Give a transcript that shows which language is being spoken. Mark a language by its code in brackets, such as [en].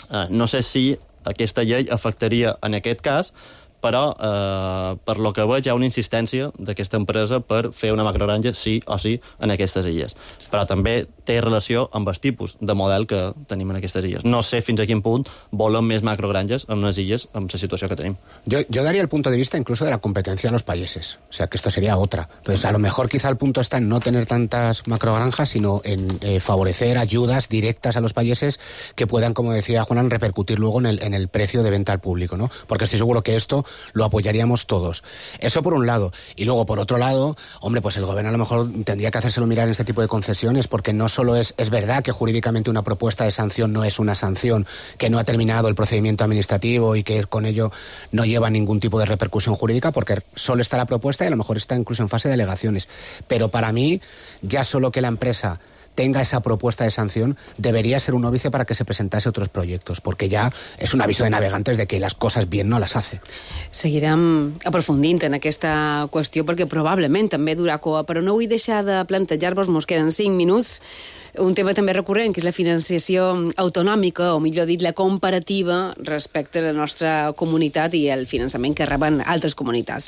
[ca] No sé si aquesta llei afectaria en aquest cas, però per lo que veig hi ha una insistència d'aquesta empresa per fer una macrogranja sí o sí en aquestes illes. Però també té relació amb els tipus de model que tenim en aquestes illes. No sé fins a quin punt volen més macrogranges en les illes amb la situació que tenim. Jo daria [es] el punto de vista incluso de la competencia de los países. O sea, que esto sería otra. Entonces, a lo mejor quizá el punto está en no tener tantas macrogranjas, sino en favorecer ayudas directas a los países que puedan, como decía Juan, repercutir luego en el precio de venta al público, ¿no? Porque estoy seguro que esto lo apoyaríamos todos. Eso por un lado. Y luego, por otro lado, hombre, pues el gobierno a lo mejor tendría que hacérselo mirar en este tipo de concesiones, porque no solo es verdad que jurídicamente una propuesta de sanción no es una sanción, que no ha terminado el procedimiento administrativo y que con ello no lleva ningún tipo de repercusión jurídica, porque solo está la propuesta y a lo mejor está incluso en fase de alegaciones. Pero para mí, ya solo que la empresa tenga esa propuesta de sanción, debería ser un óbice para que se presentase otros proyectos, porque ya es un aviso de navegantes de que las cosas bien no las hace. [ca] Seguirem aprofundint en aquesta qüestió, perquè probablement també durà cua, però no vull deixar de plantejar-vos, mos queden 5 minuts, un tema també recurrent, que és la financiació autonòmica, o millor dit, la comparativa respecte a la nostra comunitat i el finançament que reben altres comunitats.